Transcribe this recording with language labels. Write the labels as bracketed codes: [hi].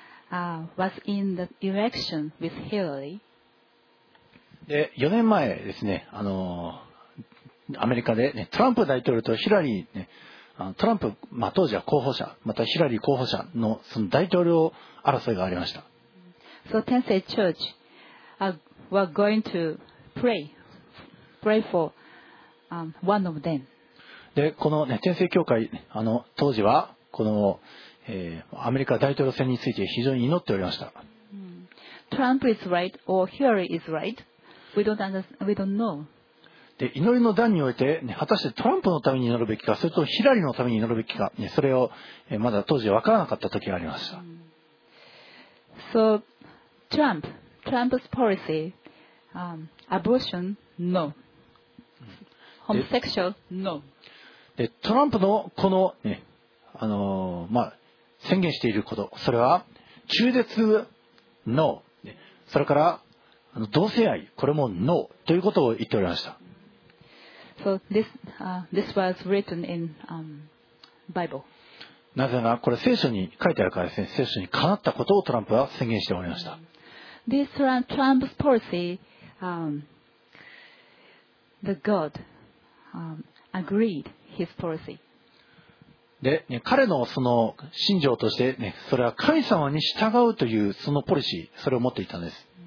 [en] Was in the election with Hillary. [ja] で4年前ですね、アメリカで、ね、トランプ大統領とヒラリー、ね、トランプ、まあ、当時は候補者、またヒラリー候補者 の, その大統領争いがありました。 [en] So Tensei Church were going to pray for one of them. [ja] でこの、ね、Tensei教会当時はこのアメリカ大統領選について非常に祈っておりました。 [en] トランプ is right or Hillary is right. We don't know. [ja] で祈りの段において、ね、果たしてトランプのために祈るべきか、それとヒラリーのために祈るべきか、ね、それを、まだ当時分からなかった時がありました。 [en] So Trump's policy, abortion, no. Homosexual, no. [ja] でトランプのこのね、まあ宣言していること、それは中絶 NO、 それから同性愛、これも NO ということを言っておりました。 [en] So this was written in Bible. [ja] なぜならこれ聖書に書いてあるからですね。聖書にかなったことをトランプは宣言しておりました。 [en] This Trump's policy the God agreed his policy [ja] で、ね、彼のその信条として、ね、それは神様に従うというそのポリシー、それを持っていたんです。